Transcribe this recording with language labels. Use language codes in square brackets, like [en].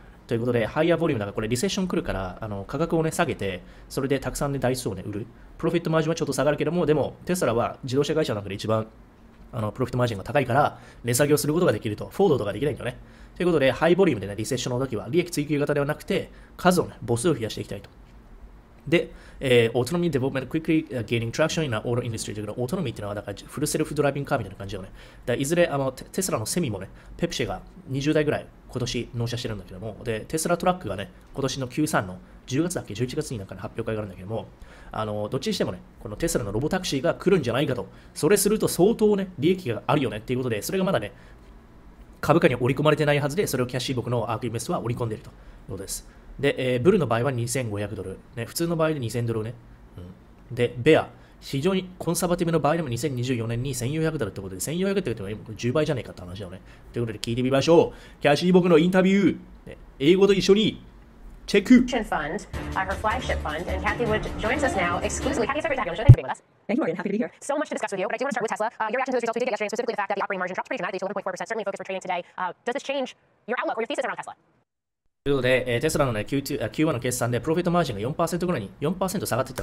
[ja] ということで、higher volume だから、これリセッション来るから、あの価格をね下げて、それでたくさんね台数をね売る。プロフィットマージンはちょっと下がるけども、でも、テスラは自動車会社の中で一番あのプロフィットマージンが高いから、値下げをすることができると。フォードとかできないんだよね。ということで、ハイボリュームでね、リセッションの時は、利益追求型ではなくて、数をね、母数を増やしていきたいと。 [en] で、autonomy development quickly gaining traction in our auto industry. [ja] だから、autonomy ってのは、だから、フルセルフドライビングカーみたいな感じだよね。だいずれ、あの、テスラのセミもね、ペプシが20台ぐらい今年納車してるんだけども、で、テスラトラックがね、今年の Q3 の10月だっけ、11月になんか、ね、発表会があるんだけども、あの、どっちにしてもね、このテスラのロボタクシーが来るんじゃないかと、それすると相当ね、利益があるよねっていうことで、それがまだね、株価に織り込まれてないはずで、それをキャッシー僕のアークイメスは織り込んでいるということです。で、ブルの場合は2500ドル、ね。普通の場合で2000ドルね、うん。で、ベア、非常にコンサバティブの場合でも2024年に1400ドルってことで、1400ドルって言っても10倍じゃねえかって話だよね。ということで聞いてみましょう。キャシー僕のインタビュー、ね、英語と一緒にチェック。 [en] Fund, her flagship fund, and Cathy Wood joins us now exclusively. Cathy, it's a great time to be with us. Thank you, Morgan. Happy to be here. So much to discuss with you, but I do want to start with Tesla. Your reaction to those results we did yesterday, specifically the fact that the operating margin dropped pretty dramatically to 11.4%, certainly focused for trading today. Does this change your outlook or your thesis around Tesla? [ja] ということで、テスラの、ね、Q1 の決算でプロフィットマージンが 4% ぐらいに 4% 下がっていった